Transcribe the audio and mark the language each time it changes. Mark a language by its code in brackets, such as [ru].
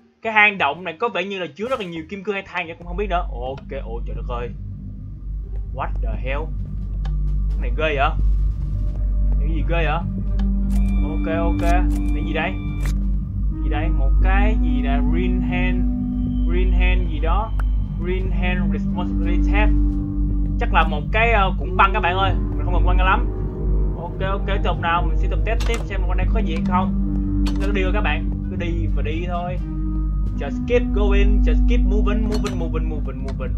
[vi] Cái hang động này có vẻ như là chứa rất là nhiều kim cương hay than vậy cũng không biết nữa. Ok, ôi trời đất ơi. [en] What the hell? [vi] Cái này ghê vậy? Cái gì ghê vậy? Ok ok, cái gì đây? Gì đây? Một cái gì là green hand gì đó. [en] Green hand responsibility. [vi] Chắc là một cái cũng băng các bạn ơi. Mình không cần quan tâm lắm. Ok ok, tiếp tục nào, mình sẽ tập test tiếp xem con này có gì hay không. Cứ đi thôi các bạn, cứ đi và đi thôi. [en] Just keep going, just keep moving, moving, moving, moving, moving.